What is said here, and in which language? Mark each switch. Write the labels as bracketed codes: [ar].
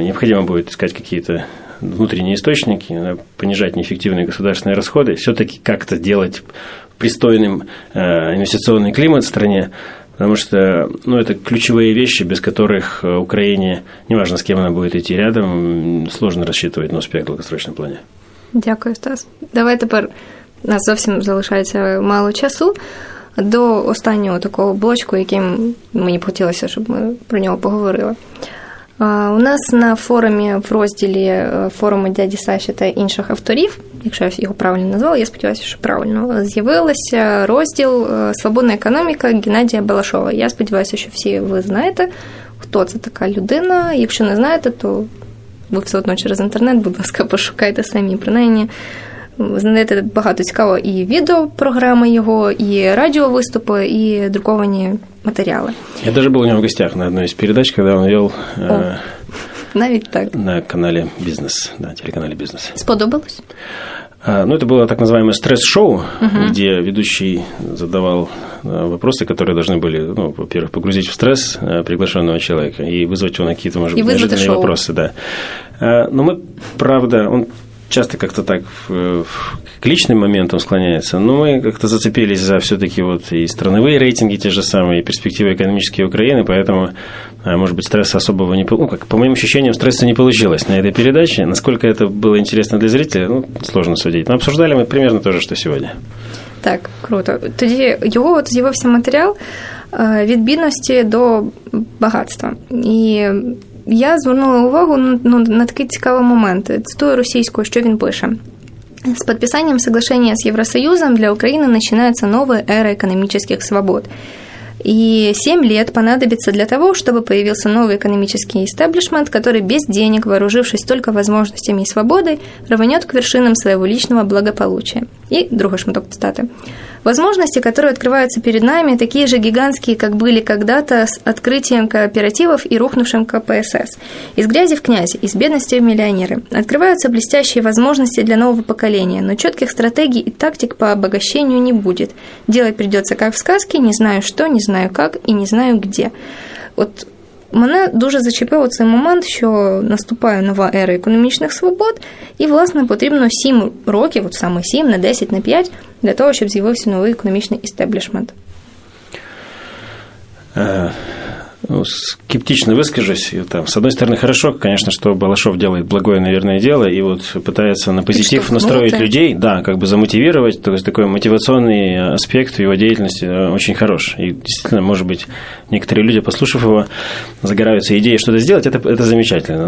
[ru] Необходимо будет искать какие-то внутренние источники, понижать неэффективные государственные расходы, все-таки как-то делать пристойным инвестиционный климат в стране. Потому что, ну, это ключевые вещи, без которых Украине, неважно, с кем она будет идти рядом, сложно рассчитывать на успех в долгосрочном плане. [uk] Дякую, Стас. Давай тепер, у нас зовсім залишається мало часу, до останнього такого блочку, яким мені б хотілося, щоб ми про нього поговорили. У нас на форумі в розділі форуму «Дяді Саші та інших авторів», якщо я його правильно назвала, я сподіваюся, що правильно, з'явилася розділ «Свободна економіка» Геннадія Балашова. Я сподіваюся, що всі ви знаєте, хто це така людина. Якщо не знаєте, то ви все одно через інтернет, будь ласка, пошукайте самі. Принаймні, знайдете багато цікавого і відеопрограми його, і радіовиступи, і друковані матеріали. Я навіть був у нього в гостях на одній з передач, коли він вів навіть так. На каналі «Бізнес», на телеканалі «Бізнес». Сподобалось? [ru] Ну, это было так называемое стресс-шоу, где ведущий задавал вопросы, которые должны были, ну, во-первых, погрузить в стресс приглашенного человека и вызвать его на какие-то, может быть, неожиданные шоу. Вопросы. Да. Но мы, правда, он часто как-то так к личным моментам склоняется, но мы как-то зацепились за все-таки вот и страновые рейтинги те же самые, и перспективы экономические Украины, поэтому, может быть, стресса особого не получилось. Ну, как по моим ощущениям, стресса не получилось на этой передаче. Насколько это было интересно для зрителя, ну, сложно судить. Но обсуждали мы примерно то же, что сегодня. [uk] Так, круто. Тоді його от з'явився матеріал «Від бідності до багатства». І я звернула увагу на такі цікаві моменти. Цитую російською, що він пише. [ru] С подписанием соглашения с Евросоюзом для Украины начинается новая эра экономических свобод. И 7 лет понадобится для того, чтобы появился новый экономический истеблишмент, который без денег, вооружившись только возможностями и свободой, рванет к вершинам своего личного благополучия. И другой шматок цитаты. Возможности, которые открываются перед нами, такие же гигантские, как были когда-то с открытием кооперативов и рухнувшим КПСС. Из грязи в князи, из бедности в миллионеры. Открываются блестящие возможности для нового поколения, но четких стратегий и тактик по обогащению не будет. Делать придется как в сказке, не знаю что, не знаю как и не знаю где. [uk] Вот мене дуже зачепив цей момент, що наступає нова ера економічних свобод, і, власне, потрібно 7 років, от саме 7, не 10, не 5, для того, щоб з'явився новий економічний істеблішмент. [ru] Скептично выскажусь. Там, с одной стороны, хорошо, конечно, что Балашов делает благое, наверное, дело, и вот пытается на позитив настроить людей, да, как бы замотивировать. То есть такой мотивационный аспект в его деятельности очень хорош. И действительно, может быть, некоторые люди, послушав его, загораются идеей что-то сделать, это замечательно.